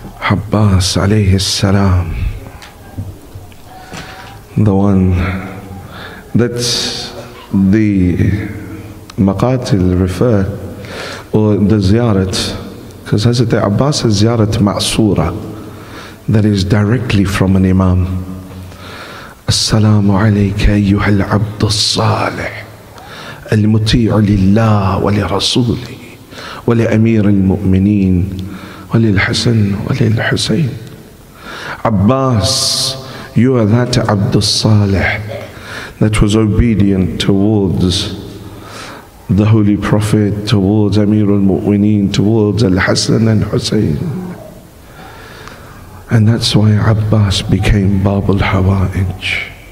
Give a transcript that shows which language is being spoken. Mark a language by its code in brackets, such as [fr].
[en] Abbas alayhi salam, the one that the maqatil refer, or the ziyarat, because Hazrat Abbas is ziyarat ma'sura, that is directly from an imam. [ar] السلام عليك أيها العبد الصالح المطيع لله ولرسوله ولأمير المؤمنين وللحسن وللحسين. [en] Abbas, you are that عبد الصالح that was obedient towards the Holy Prophet, towards أمير المؤمنين, towards الحسن and حسين. And that's why Abbas became باب الحوائج.